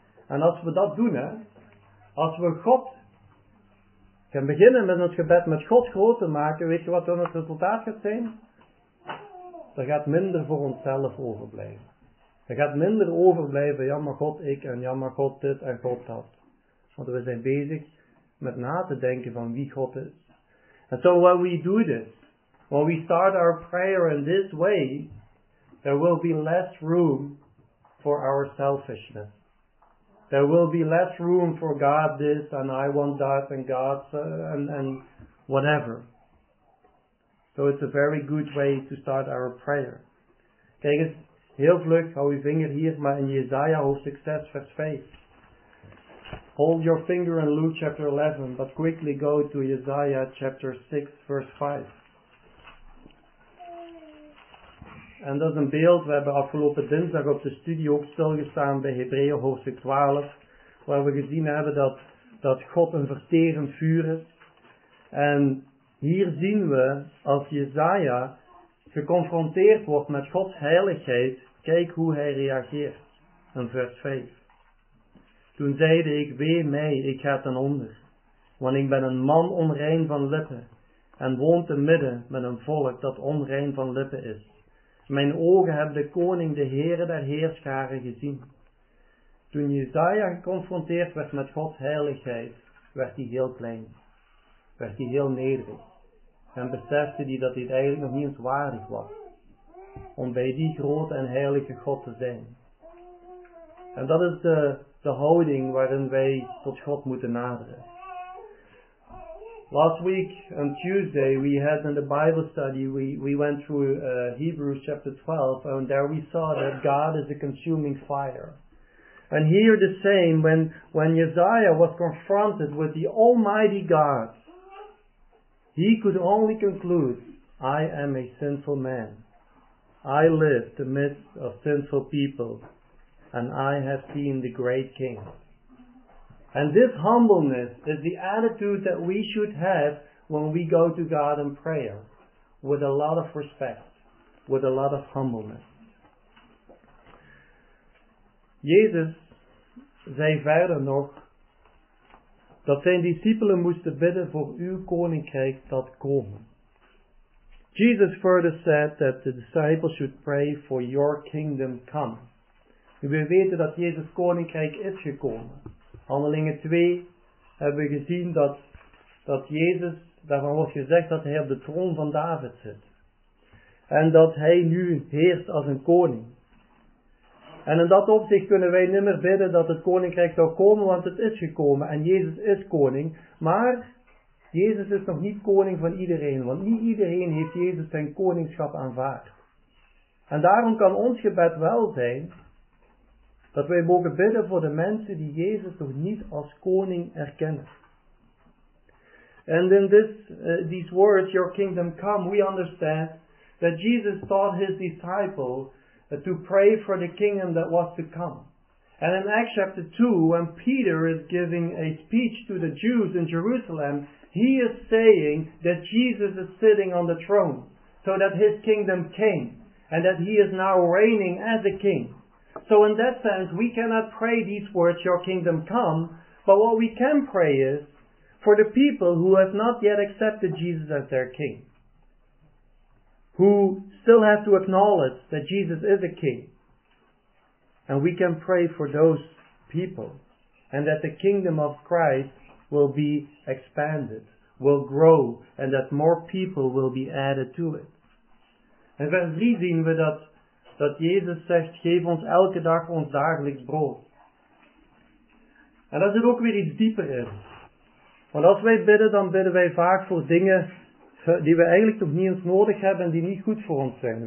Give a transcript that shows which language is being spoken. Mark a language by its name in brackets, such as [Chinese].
[English] And as we [Dutch] dat doen, [English] as we [Dutch] God gaan beginnen met ons gebed met God groot te maken, weet je wat dan het resultaat gaat zijn? Er gaat minder voor onszelf overblijven. Er gaat minder overblijven, jammer God ik en jammer God dit en God dat. Want we zijn bezig met na te denken van wie God is. [English] And so when we do this, when we start our prayer in this way, there will be less room for our selfishness. There will be less room for God this and I want that and God's and whatever. So it's a very good way to start our prayer. [Dutch] Kijk eens, heel vlug, hou je vinger hier, maar in Jesaja hoofdstuk 6 vers 5. [English] Hold your finger in Luke chapter 11, but quickly go to Jesaja chapter 6 verse 5. [Dutch] En dat is een beeld, we hebben afgelopen dinsdag op de studie ook stilgestaan bij Hebreeën hoofdstuk 12, waar we gezien hebben dat God een verterend vuur is. En hier zien we, als Jesaja geconfronteerd wordt met Gods heiligheid, kijk hoe hij reageert. In vers 5. Toen zeide ik, wee mij, ik ga ten onder, want ik ben een man onrein van lippen, en woon te midden met een volk dat onrein van lippen is. Mijn ogen hebben de koning, de Heere der heerscharen gezien. Toen Jesaja geconfronteerd werd met Gods heiligheid, werd hij heel klein. Werd hij heel nederig. En besefte hij dat hij het eigenlijk nog niet eens waardig was. Om bij die grote en heilige God te zijn. En dat is de houding waarin wij tot God moeten naderen. [English] Last week on Tuesday we had in the Bible study we went through Hebrews chapter 12 and there we saw that God is a consuming fire. And here the same, when Isaiah was confronted with the Almighty God, he could only conclude, I am a sinful man. I live amidst of sinful people, and I have seen the great King. And this humbleness is the attitude that we should have when we go to God in prayer, with a lot of respect, with a lot of humbleness. [Dutch] Jezus zei verder nog dat zijn discipelen moesten bidden voor uw koninkrijk dat komt. [English] Jesus further said that the disciples should pray for your kingdom come. [Dutch] Nu we weten dat Jezus koninkrijk is gekomen. Handelingen 2 hebben we gezien dat Jezus, daarvan wordt gezegd dat hij op de troon van David zit. En dat hij nu heerst als een koning. En in dat opzicht kunnen wij nimmer bidden dat het koninkrijk zou komen, want het is gekomen en Jezus is koning. Maar Jezus is nog niet koning van iedereen, want niet iedereen heeft Jezus zijn koningschap aanvaard. En daarom kan ons gebed wel zijn dat wij mogen bidden voor de mensen die Jezus nog niet als koning erkennen. [English] And in this, these words, your kingdom come, we understand that Jesus taught his disciples to pray for the kingdom that was to come. And in Acts chapter 2, when Peter is giving a speech to the Jews in Jerusalem, he is saying that Jesus is sitting on the throne, so that his kingdom came, and that he is now reigning as a king. So in that sense, we cannot pray these words, your kingdom come, but what we can pray is, for the people who have not yet accepted Jesus as their king, who still have to acknowledge that Jesus is a king, and we can pray for those people, and that the kingdom of Christ will be expanded, will grow, and that more people will be added to it. [Dutch] In vers 3 zien we dat Jezus zegt, geef ons elke dag ons dagelijks brood. En dat zit ook weer iets dieper in. Want als wij bidden, dan bidden wij vaak voor dingen die we eigenlijk nog niet eens nodig hebben en die niet goed voor ons zijn.